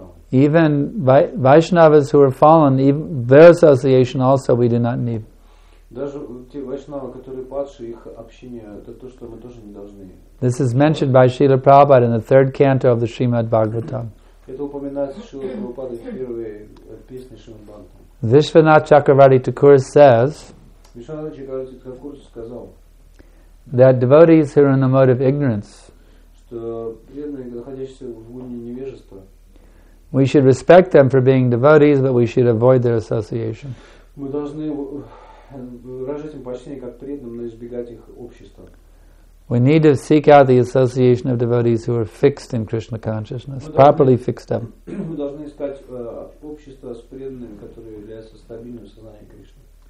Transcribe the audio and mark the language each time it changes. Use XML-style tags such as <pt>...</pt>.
<en>Even Vaishnavas who are fallen, even their association also we do not need.</en> <ru>Даже те вайшнавы, которые падшие, их общение, это то, что мы тоже не должны.</ru> <en>This is mentioned by Srila Prabhupada in the third canto of the Srimad Bhagavatam.</en> <ru>Это упоминается Шрила Прабхупада в первой песне Шримад Бхагаватам.</ru> <en>Вишванат Чакраварти Такур says,</en> <ru>Вишванат Чакраварти Такур сказал,</ru> <en>that devotees who are in the mode of ignorance,</en> <ru>что преданные, находящиеся в уме невежества,</ru> <en>we should respect them for being devotees, but we should avoid their association.</en> <ru>Мы должны выражать им почтение как преданным, но избегать их общества.</ru> <en>We need to seek out the association of devotees who are fixed in Krishna consciousness, properly fixed up.</en> <ru>Мы должны искать общество с преданными, которые являются стабильным в сознании Кришны.</ru>